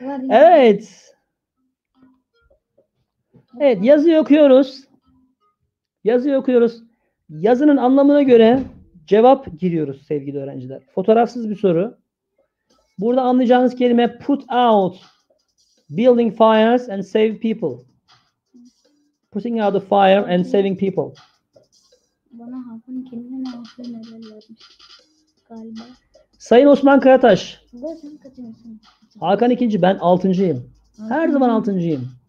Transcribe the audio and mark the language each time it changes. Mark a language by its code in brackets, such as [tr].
[tr] Evet. Evet yazıyı okuyoruz. Yazıyı okuyoruz. Yazının anlamına göre cevap giriyoruz sevgili öğrenciler. Fotoğrafsız bir soru. Burada anlayacağınız kelime put out. [en] Building fires and save people. Putting out the fire and saving people. [tr] Bana Hakan kendine ne yaptığı neler vermiş galiba. Sayın Osman Karataş. Sen kaçıncısın? Hakan ikinci, ben altıncıyım. Altın. Her zaman altıncıyım.